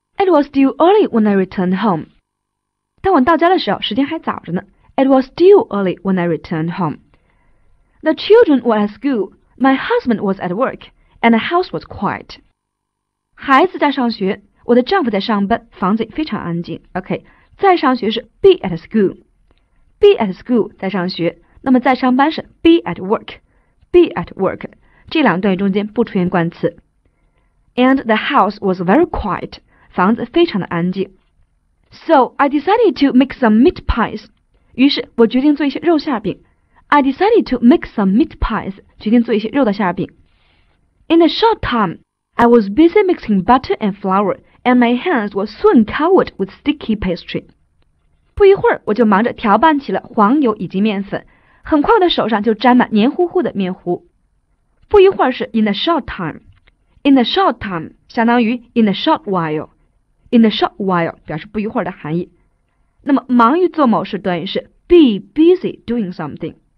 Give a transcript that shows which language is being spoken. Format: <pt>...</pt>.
<en>It was still early when I returned home.</en> <zh>当我到家的时候，时间还早着呢。</zh> <en>It was still early when I returned home. The children were at school, my husband was at work, and the house was quiet.</en> <zh>孩子在上学，我的丈夫在上班，房子也非常安静。 OK, 在上学是</zh> <en>be at school. Be at school,</en> <zh>在上学。那么在上班是</zh> <en>be at work. Be at work.</en> <zh>这两段中间不出现冠词。</zh> <en>And the house was very quiet.</en> <zh>房子非常的安静。</zh> <en>So, I decided to make some meat pies.</en> <zh>于是我决定做一些肉馅饼。</zh> <en>I decided to make some meat pies.</en> <zh>决定做一些肉的馅饼。</zh> <en>In a short time, I was busy mixing butter and flour, and my hands were soon covered with sticky pastry.</en> <zh>不一会儿我就忙着调拌起了黄油以及面粉。很快我的手上就沾满黏糊糊的面糊。不一会儿是</zh> <en>in a short time。In a short time,</en> <zh>相当于</zh> <en>in a short while. In a short while,</en> <zh>表示不一会儿的含义。那么忙于做某事短语是</zh> <en>be busy doing something.</en>